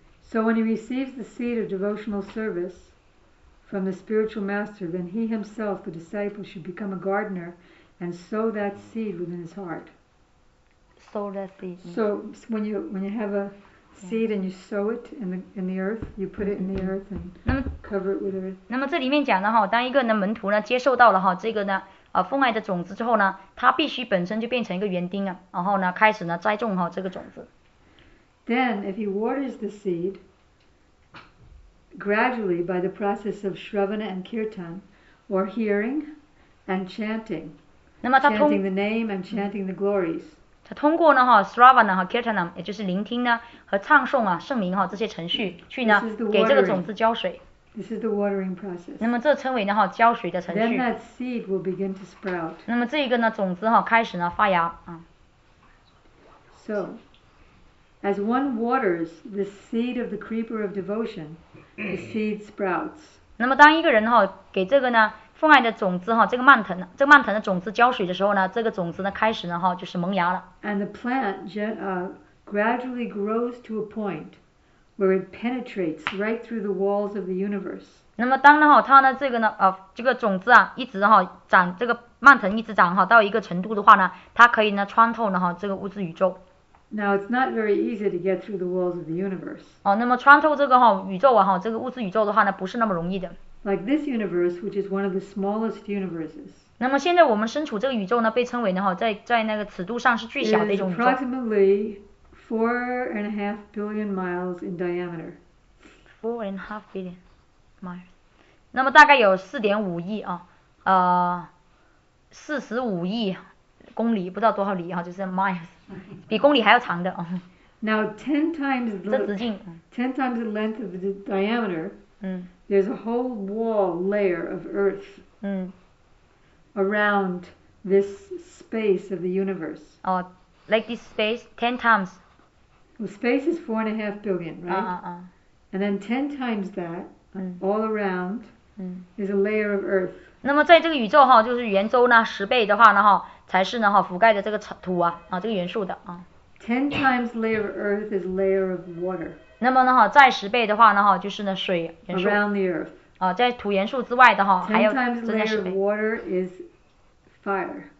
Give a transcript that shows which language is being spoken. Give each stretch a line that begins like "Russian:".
English: So when he receives the seed of devotional service from the spiritual master, then he himself, the disciple, should become a gardener and sow that seed within his heart. Sow the seed. So when you have a seed and you sow it in the earth, you put it in the earth and cover it with earth.
Chinese: 那么这里面讲的当一个门徒接受到了这个奉爱的种子之后，他必须本身就变成一个园丁，然后开始栽种这个种子。
English: Then if he waters the seed, gradually by the process of shravana and kirtan, or hearing and chanting, chanting the name and chanting the glories.
Chinese: 通过Shravana和Kirtanam，也就是聆听和唱诵圣名这些程序，去给这个种子浇水。
English: This is the watering process.
Chinese: 那么这称为呢哈浇水的程序。
English: Then that seed will begin to sprout.
Chinese: 那么这一个呢种子哈开始呢发芽啊。
English: So, as one waters the seed of the creeper of devotion, the seed sprouts.
Chinese: 那么当一个人哈给这个呢奉爱的种子哈这个蔓藤这个蔓藤的种子浇水的时候呢这个种子呢开始呢哈就是萌芽了。
English: And the plant gradually grows to a point. Where it penetrates right through the walls of the universe.
Chinese: 那么当然哈，它呢这个呢，这个种子啊，一直哈长，这个蔓藤一直长哈，到一个程度的话呢，它可以呢穿透呢哈这个物质宇宙。
English: Now it's not very easy to get through the walls of the universe.
Chinese: 哦，那么穿透这个哈宇宙啊哈，这个物质宇宙的话呢，不是那么容易的。
English: Like this universe, which is one of the smallest universes.
Chinese: 那么现在我们身处这个宇宙呢，被称为呢哈，在那个尺度上是最小的一种宇宙。
English: It is approximately 4.5 billion miles in diameter. 4.5 billion miles.
Chinese: 那么大概有4.5亿啊，45亿公里，不知道多少里啊，就是 miles， 比公里还要长的啊。
English: Now 10 times the
Chinese: 这直径
English: 10 times the length of the diameter. 嗯。 There's a whole wall layer of earth. 嗯。 Around this space of the universe. 哦 ，like this space 10 times. Well, space is 4.5 billion, right? And then 10 times that, all around, is a layer of earth.
Chinese: 那么在这个宇宙哈，就是圆周呢，10倍的话呢哈，才是呢哈覆盖的这个土啊啊这个元素的啊。
English: 10 times layer of earth is layer of water.
Chinese: 那么呢哈，再10倍的话呢哈，就是呢水元素。
English: Around the earth.
Chinese: 啊，在土元素之外的哈，还有。
English: 10 times layer of water is fire.